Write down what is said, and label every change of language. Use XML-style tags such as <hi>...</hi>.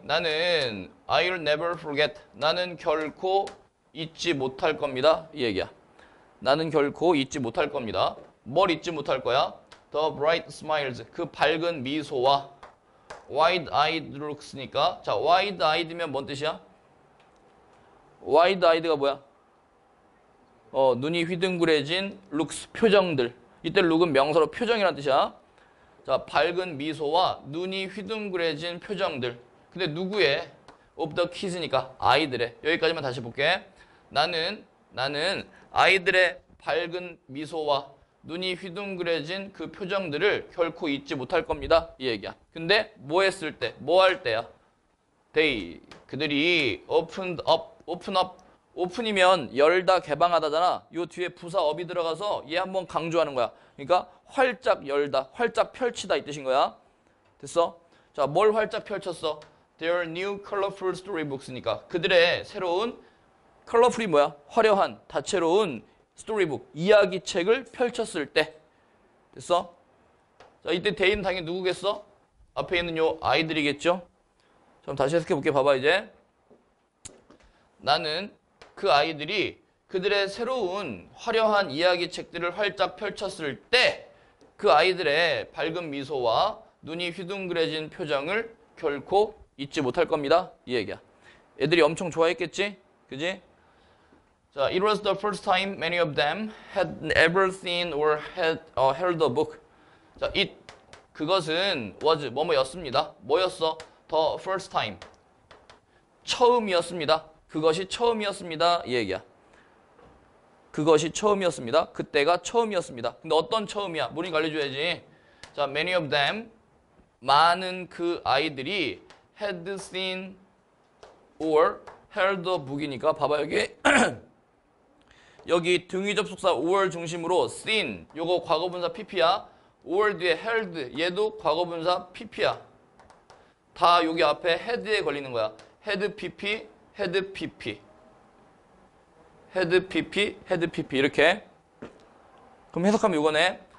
<en>나는 I'll never forget.</en> <ko>나는 결코 잊지 못할 겁니다. 이 얘기야. 나는 결코 잊지 못할 겁니다. 뭘 잊지 못할 거야?</ko> <en>The bright smiles,</en> <ko>그 밝은 미소와</ko> <en>wide-eyed looks니까.</en> <ko>자, wide-eyed면 뭔 뜻이야? wide-eyed가 뭐야? 눈이 휘둥그레진 looks, 표정들. 이때 look은 명사로 표정이란 뜻이야. 자, 밝은 미소와 눈이 휘둥그레진 표정들. 근데 누구의? of the kids니까 아이들의. 여기까지만 다시 볼게. 나는 아이들의 밝은 미소와 눈이 휘둥그레진 그 표정들을 결코 잊지 못할 겁니다. 이 얘기야. 근데 뭐 했을 때, 뭐할 때야? They, 그들이 opened up, open up, open이면 열다, 개방하다잖아. 요 뒤에 부사 up이 들어가서 얘 한번 강조하는 거야. 그러니까 활짝 열다, 활짝 펼치다 이 뜻인 거야. 됐어? 자, 뭘 활짝 펼쳤어?</ko> <en>Their new colorful storybooks니까</en> <ko>그들의 새로운</ko> <en>colorful이 뭐야?</en> <ko>화려한, 다채로운 스토리북, 이야기책을 펼쳤을 때. 됐어? 자, 이때 대인 당연히 누구겠어? 앞에 있는 요 아이들이겠죠? 좀 다시 해석해 볼게. 봐봐, 이제. 나는 그 아이들이 그들의 새로운 화려한 이야기책들을 활짝 펼쳤을 때, 그 아이들의 밝은 미소와 눈이 휘둥그레진 표정을 결코 잊지 못할 겁니다. 이 얘기야. 애들이 엄청 좋아했겠지? 그지?</ko> <en>자, it was the first time many of them had ever seen or had held a book.</en> <ko>자, it 그것은 was 뭐뭐였습니다. 뭐였어? The first time. 처음이었습니다. 그것이 처음이었습니다. 이 얘기야. 그것이 처음이었습니다. 그때가 처음이었습니다. 근데 어떤 처음이야? 본인이 알려줘야지. 자,</ko> <en>many of them</en> <ko>많은 그 아이들이</ko> <en>had seen or held a book</en> <ko>이니까 봐봐 여기. 여기 등위접속사 or 중심으로 seen, 요거 과거분사 PP야. 5월 뒤에 held, 얘도 과거분사 PP야. 다 여기 앞에 head에 걸리는 거야. head PP, head PP. head PP, head PP. 이렇게. 그럼 해석하면 이거네.</ko>